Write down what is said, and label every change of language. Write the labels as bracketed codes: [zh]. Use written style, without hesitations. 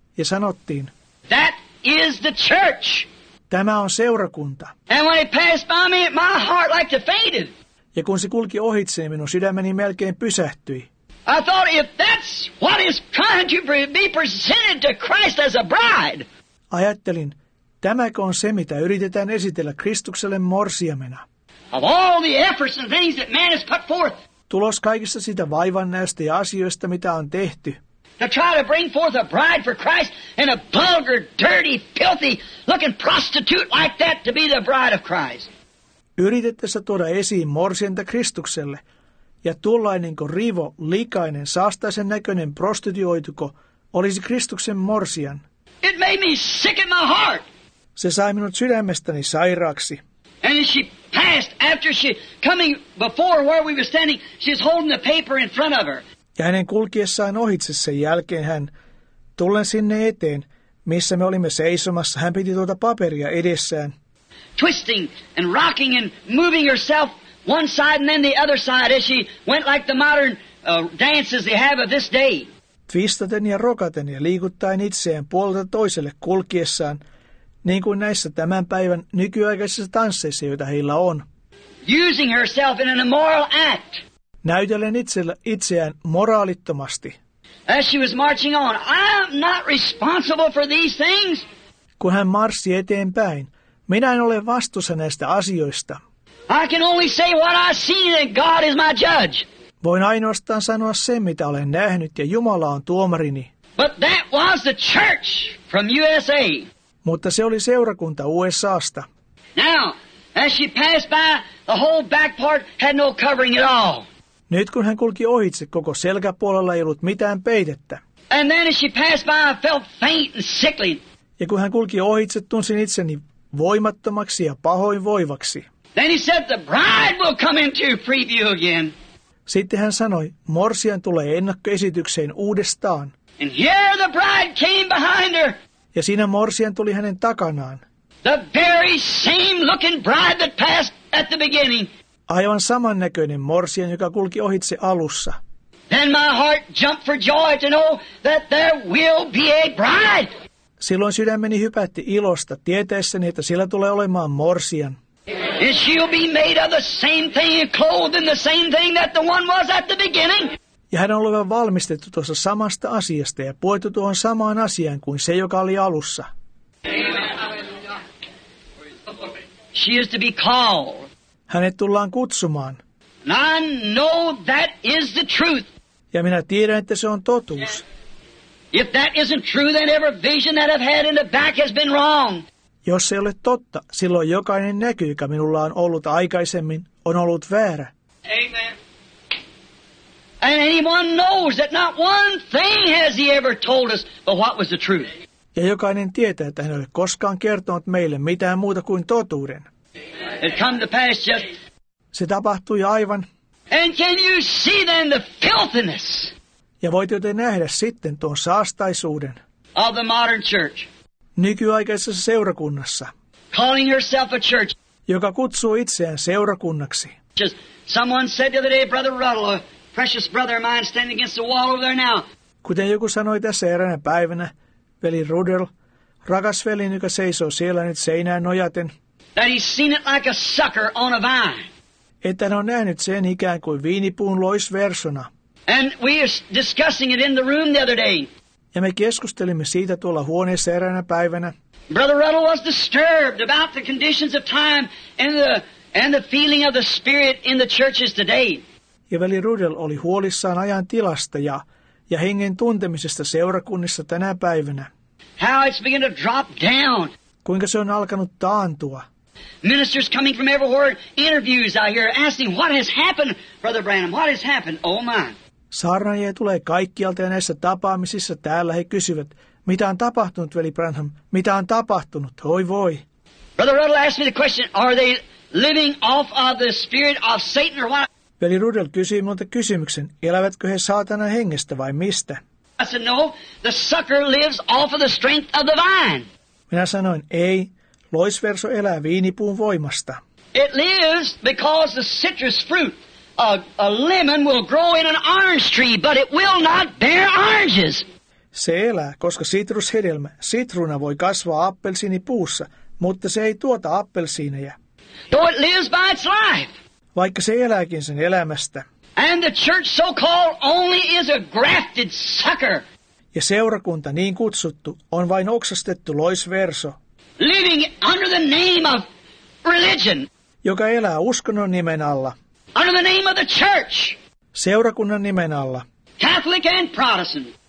[fi] Ja sanottiin, [en] that is the church. [fi] Tämä on seurakunta. [en] And when it passed by me, my heart like to faded. [fi] Ja kun se kulki ohitse, minun sydämeni melkein pysähtyi. [en] I thought if that's what is trying to be presented to Christ as a bride. [fi] Ajattelin, tämäkö on se, mitä yritetään esitellä Kristukselle morsiamena. [en] Of all the efforts and things that man has put forth. [fi] Tulos kaikista sitä vaivannäistä ja asioista, mitä on tehty. [en] To try to bring forth a bride for Christ and a vulgar, dirty, filthy looking prostitute like that to be the bride of Christ. [fi] Yritettäessä tuoda esiin morsianta Kristukselle ja tuollainenko rivo, likainen, saastaisen näköinen prostituoituko olisi Kristuksen morsian. [en] It made me sick in my heart. [fi] Se sai minut sydämestäni sairaaksi. [en] And she passed after she coming before where we were standing, she's holding the paper in front of her. [fi] Ja hänen kulkiessaan ohitse sen jälkeen hän tullen sinne eteen, missä me olimme seisomassa, hän piti tuota paperia edessään. [en] Twisting and rocking and moving herself one side and then the other side as she went like the modern dances they have of this day. [fi] Twistaten ja rokaten ja liikuttaen itseään puolelta toiselle kulkiessaan, niin kuin näissä tämän päivän nykyaikaisissa tansseissa, joita heillä on. [en] Using herself in an immoral act. [fi] Näytellen itseään moraalittomasti. [en] As she was marching on, I'm not responsible for these things. [fi] Kun hän marssi eteenpäin, minä en ole vastuussa näistä asioista. [en] I can only say what I see and God is my judge. [fi] Voin ainoastaan sanoa sen, mitä olen nähnyt, ja Jumala on tuomarini. [en] But that was the church from USA. [fi] Mutta se oli seurakunta USA:sta. [en] Now, as she passed by, the whole back part had no covering at all. [fi] Nyt kun hän kulki ohitse, koko selkäpuolella ei ollut mitään peitettä. [en] And then as she passed by, I felt faint and sickly. [fi] Ja kun hän kulki ohitse, tunsin itseni voimattomaksi ja pahoinvoivaksi. [en] Then he said the bride will come into preview again. [fi] Sitten hän sanoi, morsian tulee ennakkoesitykseen uudestaan. [en] And here the bride came behind her. [fi] Ja siinä morsian tuli hänen takanaan. [en] The very same looking bride that passed at the beginning. [fi] Aivan samannäköinen morsian, joka kulki ohitse alussa. [en] Then my heart jumped for joy to know that there will be a bride. [fi] Silloin sydämeni hypähti ilosta, tietäessäni, että sillä tulee olemaan morsian. [en] And she'll be made of the same thing and clothed in the same thing that the one was at the beginning. [fi] Ja hän on olevan valmistettu tuossa samasta asiasta ja puettu tuohon samaan asiaan kuin se, joka oli alussa. [en] She is to be called. [fi] Hänet tullaan kutsumaan. [en] I know that is the truth. [fi] Ja minä tiedän, että se on totuus. [en] If that isn't true, then every vision that I've had in the back has been wrong. [fi] Jos se ei ole totta, silloin jokainen näky, joka minulla on ollut aikaisemmin, on ollut väärä. [en] Amen. And anyone knows that not one thing has he ever told us, but what was the truth. [fi] Ja jokainen tietää, että hän ei ole koskaan kertonut meille mitään muuta kuin totuuden. [en] It come to pass just. [fi] Se tapahtui aivan. [en] And can you see then the filthiness? [fi] Ja voitte te nähdä sitten tuon saastaisuuden. [en] Of the modern church. [fi] Nykyaikaisessa seurakunnassa. [en] Calling yourself a church. [fi] Joka kutsuu itseään seurakunnaksi. [en] Just someone said the other day, Brother Ruddle, precious brother of mine standing against the wall over there now. [fi] Kuten joku sanoi tässä eräänä päivänä, veli Rudel, rakas veli, joka seisoo siellä nyt seinään nojaten. [en] That he's seen it like a sucker on a vine. [fi] Että hän on nähnyt sen ikään kuin viinipuun loisversona. [en] And we were discussing it in the room the other day. [fi] Ja me keskustelimme siitä tuolla huoneessa eräänä päivänä. [en] Brother Rudel was disturbed about the conditions of time and the feeling of the spirit in the churches today. [fi] Ja veli Rudel oli huolissaan ajan tilasta ja hengen tuntemisesta seurakunnissa tänä päivänä. [en] How it's beginning to drop down. [fi] Kuinka se on alkanut taantua. [en] Ministers coming from everywhere, interviews out here asking what has happened, Brother Branham, what has happened, oh my. [fi] Saarnaajia tulee kaikkialta ja näissä tapaamisissa täällä he kysyvät, mitä on tapahtunut, veli Branham, mitä on tapahtunut, oi voi. [en] Brother Rudel asked me the question, are they living off of the spirit of Satan or what? [fi] Veli Rudel kysyi minulta kysymyksen, elävätkö he saatanan hengestä vai mistä? [en] I said, no, the sucker lives off of the strength of the vine. [fi] Minä sanoin, ei, loisverso elää viinipuun voimasta. [en] It lives because the citrus fruit A lemon will grow in an orange tree, but it will not bear oranges. [fi] Se elää, koska sitrushedelmä, sitruna, voi kasvaa appelsiinipuussa, mutta se ei tuota appelsiineja. [en] Though it lives by its life. [fi] Vaikka se elääkin sen elämästä. [en] And the church so-called only is a grafted sucker. [fi] Ja seurakunta, niin kutsuttu, on vain oksastettu loisverso. [en] Living under the name of religion. [fi] Joka elää uskonnon nimen alla. [en] Under the name of the church. [fi] Seurakunnan nimen alla. [en] Catholic and Protestant.